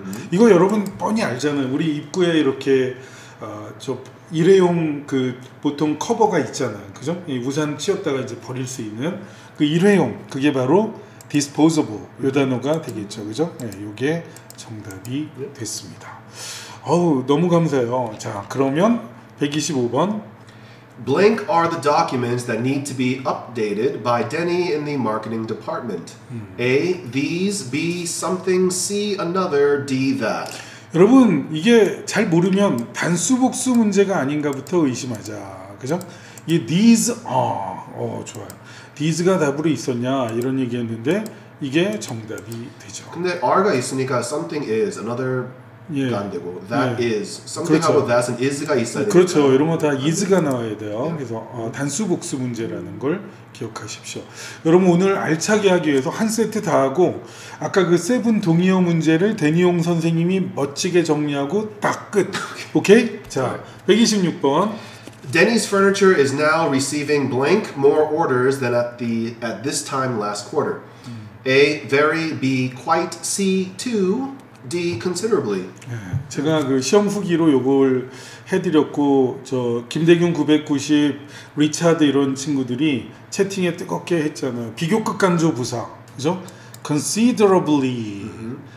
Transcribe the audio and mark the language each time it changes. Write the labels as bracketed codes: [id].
[ko] 이거 여러분 뻔히 알잖아요. 우리 입구에 이렇게 저 일회용 그 보통 커버가 있잖아, 그죠? 이 우산 치웠다가 이제 버릴 수 있는 그 일회용, 그게 바로 disposable 요 단어가 되겠죠, 그죠? 네, 요게 정답이 됐습니다. 어우, 너무 감사해요. 자, 그러면 125번. [en] Blank are the documents that need to be updated by Denny in the marketing department. A, these. B, something. C, another. D, that. [ko] 여러분, 이게 잘 모르면 단수 복수 문제가 아닌가부터 의심하자. 그죠? 이 these are. 좋아요. these가 답으로 있었냐? 이런 얘기했는데 이게 정답이 되죠. 근데 are가 있으니까 something is, another 예. 가 안 되고 that 예. is. something 그렇죠. 하고 that은 is가 있어야 되 그렇죠. 되니까. 이런 거 다 is가 나와야 돼요. 예. 그래서 단수 복수 문제라는 걸 기억하십시오. 여러분 오늘 알차게 하기 위해서 한 세트 다 하고 아까 그 세븐 동의어 문제를 대니용 선생님이 멋지게 정리하고 딱 끝. 오케이? 자, 126번. [en] Denny's furniture is now receiving blank more orders than at this time last quarter. A, very. B, quite. C, too. D, considerably. [ko] 제가 그 시험 후기로 요걸 해드렸고 저 김대균 990 리차드 이런 친구들이 채팅에 뜨겁게 했잖아요. 비교급 강조 부사, 그죠? Considerably. Mm-hmm.